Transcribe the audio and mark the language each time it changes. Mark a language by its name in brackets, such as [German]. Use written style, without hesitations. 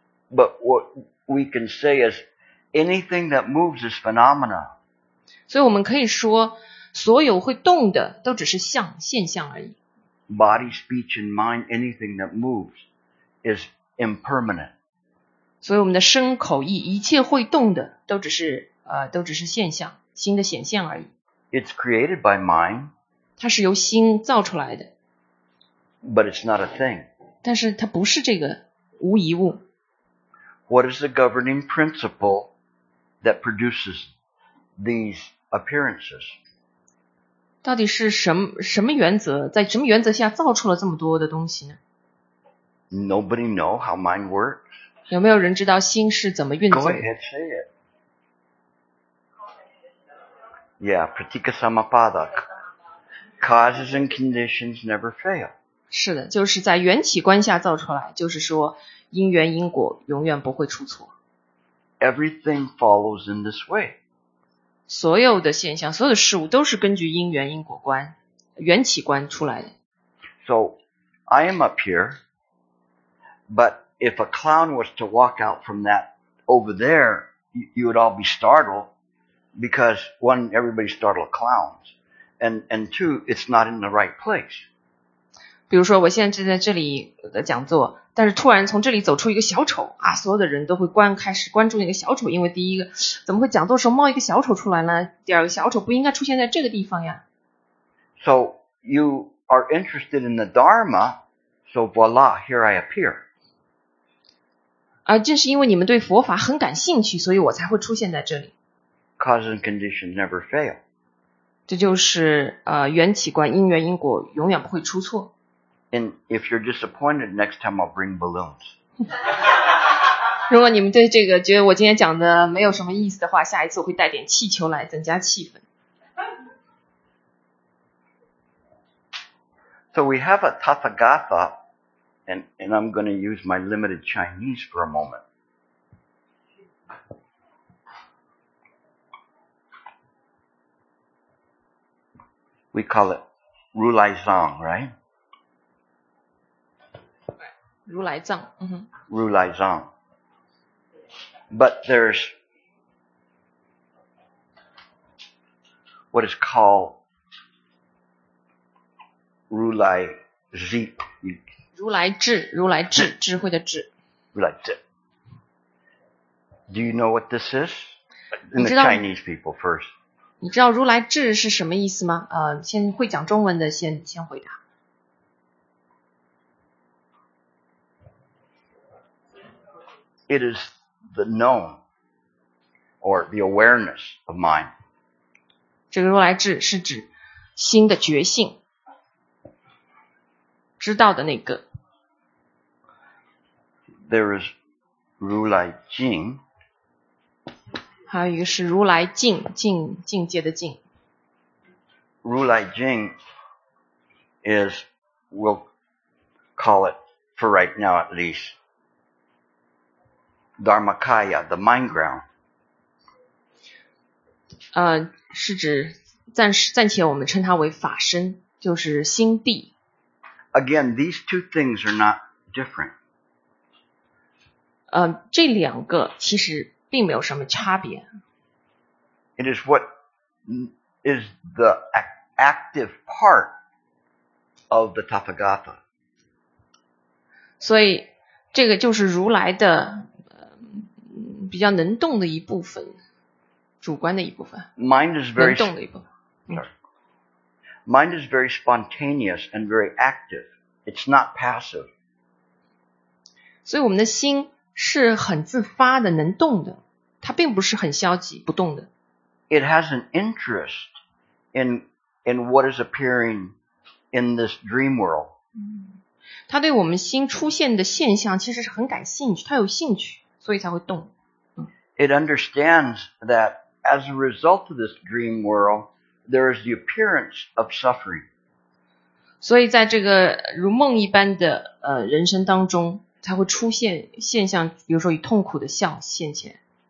[English] But what we can say is anything that moves is phenomena. [Chinese] 所以我们可以说，所有会动的都只是像现象而已。 [English] Body, speech, and mind, anything that moves is impermanent. [Chinese] 所以我们的身口意一切会动的都只是现象，心的显现而已。 [English] It's created by mind. [Chinese] 它是由心造出来的。 [English] But it's not a thing. [Chinese] 但是它不是这个无一物。 [English] What is the governing principle that produces these appearances? [Chinese] 到底是什么原则，在什么原则下造出了这么多的东西呢？ [English] Nobody know how mind works. [Chinese] 有没有人知道心是怎么运作的？ [English] Go ahead, say it. Yeah, pratikasamapada. Causes and conditions never fail. [Chinese] 是的，就是在缘起观下造出来，就是说因缘因果永远不会出错。 [English] Everything follows in this way. [Chinese] 所有的现象，所有的事物都是根据因缘因果观、缘起观出来的。 [English] So, I am up here, but if a clown was to walk out from that over there, you would all be startled, because one, everybody's startled clowns, and two, it's not in the right place. [Chinese] 比如说我现在在这里的讲座，但是突然从这里走出一个小丑啊，所有的人都会开始关注那个小丑，因为第一个，怎么会讲座时候冒一个小丑出来呢？第二个，小丑不应该出现在这个地方呀。 [English] So you are interested in the Dharma, so voila, here I appear. [Chinese] 啊，正是因为你们对佛法很感兴趣，所以我才会出现在这里。 [English] Cause and condition never fail. [Chinese] 这就是缘起观，因缘因果永远不会出错。 [English] And if you're disappointed, next time I'll bring balloons. [Chinese] 如果你们对这个觉得我今天讲的没有什么意思的话，下一次我会带点气球来增加气氛。 [English] So we have a Tathagatha, and I'm going to use my limited Chinese for a moment. We call it Ru Lai Zong, right? [Chinese] 如来藏、嗯、 [English] 如来藏 But there's what is called 如来 z [Chinese] 如来智如来智智慧的智 [English] 如来智 Do you know what this is? In the Chinese people first [Chinese] 你知道如来智是什么意思吗、先会讲中文的先回答 [English] It is the known or the awareness of mind. [Chinese] 这个如来智是指心的觉性，知道的那个。 [English] There is 如来境。 [Chinese] 还有一个是如来境，境境界的境。 [English] 如来境 is we'll call it for right now at least. Dharmakaya, the mind ground. [Chinese] 是指暂且我们称它为法身，就是心地。 [English] Again, these two things are not different. [Chinese] 这两个其实并没有什么差别。 [English] It is what is the active part of the Tathagatha. [Chinese] 所以这个就是如来的。比较能动的一部分，主观的一部分。 [English] Mind is very [Chinese] 能动的一部分。 [English] Mind is very spontaneous and very active. It's not passive. [Chinese] 所以我们的心是很自发的，能动的，它并不是很消极，不动的。 [English] It has an interest in what is appearing in this dream world. [Chinese] 它对我们心出现的现象其实是很感兴趣，它有兴趣，所以才会动。 [English] It understands that as a result of this dream world, there is the appearance of suffering. [Chinese] 所以在这个如梦一般的人生当中，才会出现现象，比如说以痛苦的笑现前。